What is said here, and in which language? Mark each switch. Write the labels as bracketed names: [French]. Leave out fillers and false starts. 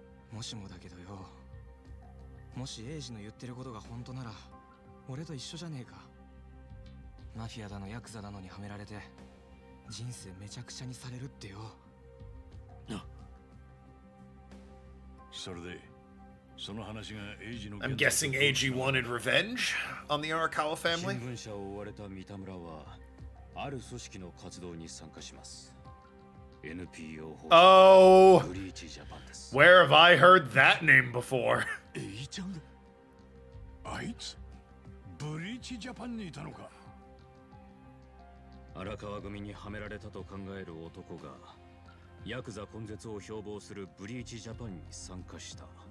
[Japanese] もしもだけどよ、もしエイジの言ってることが本当なら、俺と一緒じゃねえか。マフィアだのヤクザだのにはめられて。人生めちゃくちゃにされるってよ。それで [English] I'm guessing AG wanted revenge on the Arakawa family. Oh, where have I heard that name before? [Japanese] ブリーチジャパンにいたのか。荒川組にはめられたと考える男が、ヤクザ根絶を標榜するブリーチジャパンに参加した。